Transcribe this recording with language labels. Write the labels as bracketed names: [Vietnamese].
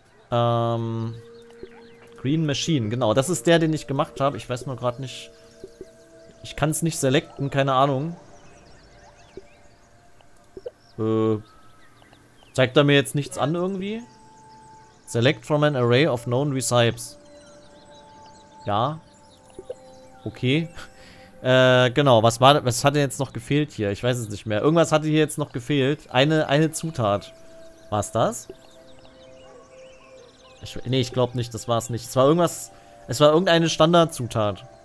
[German] Green Machine, genau. Das ist der, den ich gemacht habe. Ich weiß nur gerade nicht... Ich kann es nicht selekten, keine Ahnung. Zeigt er mir jetzt nichts an irgendwie? [English] Select from an array of known recipes. [German] Ja. Okay. genau. Was war, was hat denn jetzt noch gefehlt hier? Ich weiß es nicht mehr. Irgendwas hatte hier jetzt noch gefehlt. Eine Zutat. War es das? Ich glaube nicht, das war es nicht. Es war irgendwas, es war irgendeine Standardzutat.